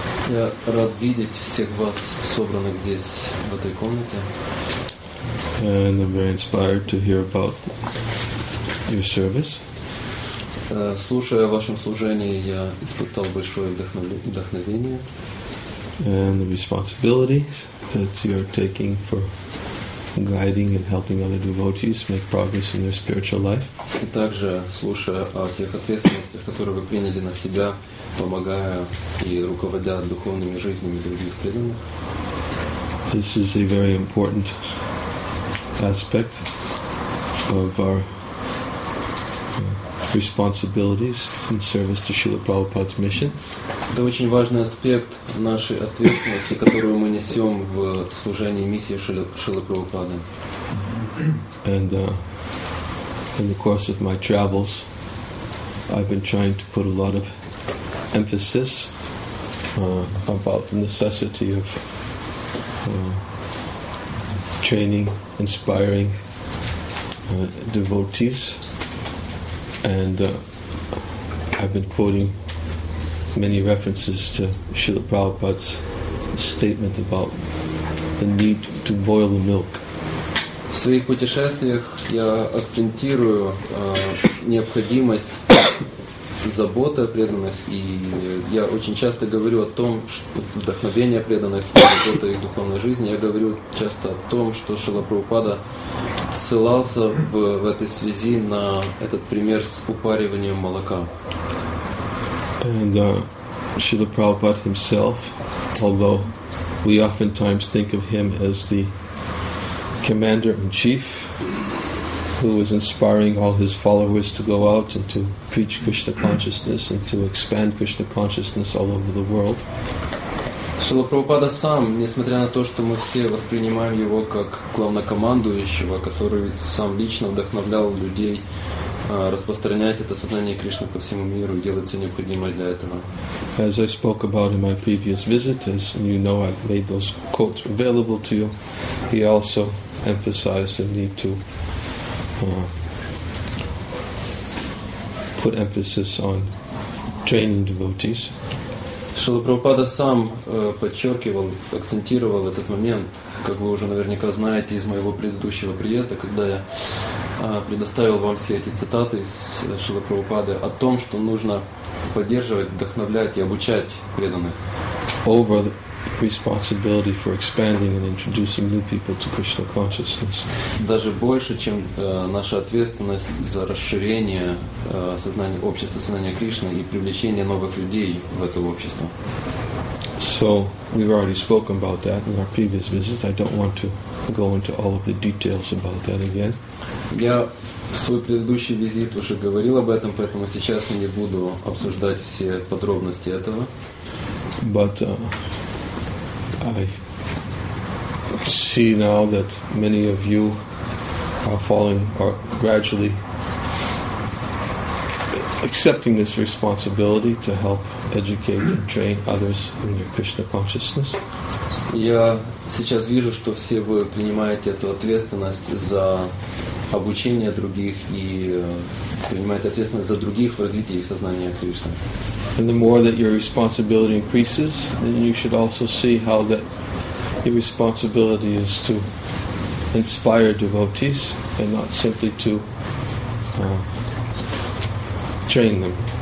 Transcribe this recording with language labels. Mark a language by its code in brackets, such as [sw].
[ru] Я рад видеть всех вас собранных здесь в этой комнате. [en] And I'm very inspired to hear about your service. [ru] Слушая о вашем служении, я испытал большое вдохновение. [en] And the responsibilities that you are taking for guiding and helping other devotees make progress in their spiritual life. [ru] И также слушая о тех ответственностях, которые вы приняли на себя, помогая и руководя духовными жизнями других преданных. [en] This is a very important aspect of our responsibilities in service to Srila Prabhupada's mission. [ru] Это очень важный аспект нашей ответственности, которую мы несем в служении миссии Шрилы Прабхупады. [en] And in the course of my travels, I've been trying to put a lot of emphasis about the necessity of training, inspiring devotees. And I've been quoting many references to Srila Prabhupada's statement about the need to boil the milk. [ru] В своих путешествиях я акцентирую необходимость заботы о преданных, и я очень часто говорю о том, что вдохновение преданных, забота их духовной жизни. Я говорю часто о том, что Шрила Прабхупада ссылался в этой связи на этот пример с упариванием молока. [en] And Srila Prabhupada himself, although we oftentimes think of him as the commander-in-chief, who was inspiring all his followers to go out and to preach Krishna consciousness and to expand Krishna consciousness all over the world. [ru] Шрила Прабхупада сам, несмотря на то, что мы все воспринимаем его как главнокомандующего, который сам лично вдохновлял людей распространять это сознание Кришны по всему миру и делать все необходимое для этого. [en] As I spoke about in my previous visit, as you know, I made those quotes available to you, he also emphasized the need to put emphasis on training devotees. [ru] Шрила Прабхупада сам подчеркивал, акцентировал этот момент, как вы уже наверняка знаете из моего предыдущего приезда, когда я предоставил вам все эти цитаты из Шрила Прабхупады о том, что нужно поддерживать, вдохновлять и обучать преданных. [en] Over the responsibility for expanding and introducing new people to Krishna consciousness. [ru] Даже больше, чем наша ответственность за расширение сознания общества, сознания Кришны и привлечение новых людей в это общество. [en] So we've already spoken about that in our previous visit. I don't want to go into all of the details about that again. [ru] Я в свой предыдущий визит уже говорил об этом, поэтому сейчас я не буду обсуждать все подробности этого. [en] But I see now that many of you are following or gradually accepting this responsibility to help educate and train others in their Krishna consciousness. [ru] Я сейчас вижу, что все вы принимаете эту ответственность за обучение других и принимаете ответственность за других в развитии их сознания Кришны. [en] And the more that your responsibility increases, then you should also see how that your responsibility is to inspire devotees and not simply to train them.